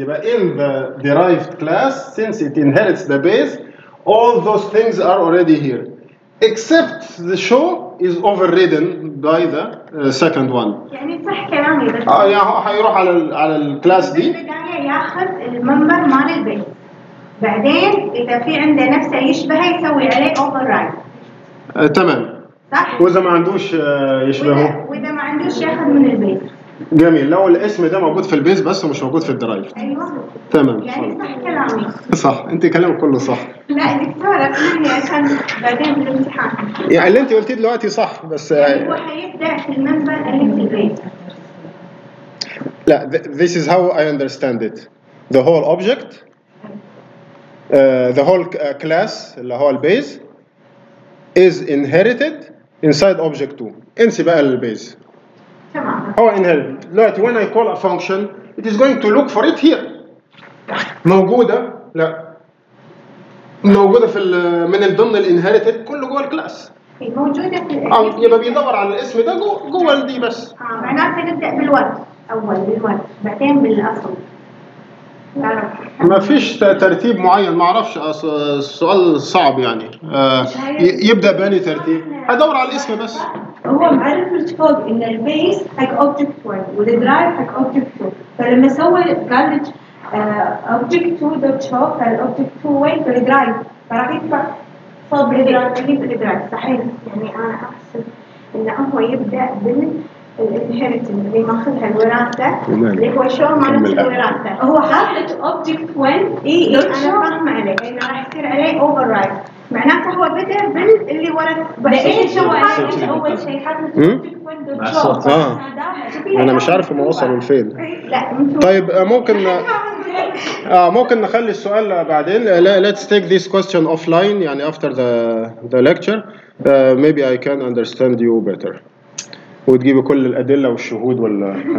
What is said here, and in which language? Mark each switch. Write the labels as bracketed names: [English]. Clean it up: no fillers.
[Arabic] يبقى [English] in the derived class since it inherits the base all those things are already here except the show is overridden by the second one. [Arabic] يعني صح كلامي بس يا حيروح على الكلاس دي بالبداية ياخذ الممبر مال البيز بعدين اذا في عنده نفسه يشبهه يسوي عليه override. تمام صح. واذا ما عندوش يشبهه واذا ما عندوش ياخذ من البيز. جميل. لو الاسم ده موجود في البيز بس مش موجود في الدرايف. أيوة. تمام يعني صح. صح انت كلامك كله صح. لا دكتورة اقنعني عشان بعدين بالامتحان. يعني اللي انت قلتيه دلوقتي صح بس يعني هو هيبدا في المنبر اللي في البيز. لا [English] this is how I understand it. The whole object the whole class [Arabic] اللي هو البيز [English] is inherited inside object 2. [Arabic] انسي بقى البيز. هو انهرت. دلوقتي [English] when I call a function it is going to look for it here. [Arabic] موجودة؟ لا. موجودة في الـ من الـ ضمن الانهرتد كله جوه الكلاس. موجودة في الاسم. يبقى بيدور على الاسم ده جوه دي بس. معناته نبدأ بالورد أول بالورد بعدين بالأصل. ما فيش ترتيب معين ما أعرفش السؤال صعب يعني. يبدأ بأني ترتيب؟ هدور على الاسم بس. هو معرف الكود ان البيس حق اوبجكت 1 والدرايف حق اوبجكت 2 فلما سوى قال لك اوبجكت 2 دوت شو فالاوبجكت 2 وين في الدرايف فراح يدفع صوب الدرايف صحيح. يعني انا اقصد ان هو يبدا بالانهرتنس اللي ماخذها الوراثه اللي هو شو مالت الوراثه هو حاطط اوبجكت 1 اي انا فاهم عليه انه راح يصير عليه اوفر رايت معناته هو بدأ باللي ورد. بقيت شو هاي أول شيء حطت أوبجكت 1.show. أنا مش عارف ما وصل لفين. طيب ممكن ممكن نخلي السؤال بعدين. [English] Let's take this question offline [Arabic] يعني [English] after the lecture. Maybe I can understand you better. [Arabic] وتجيب كل الأدلة والشهود ولا.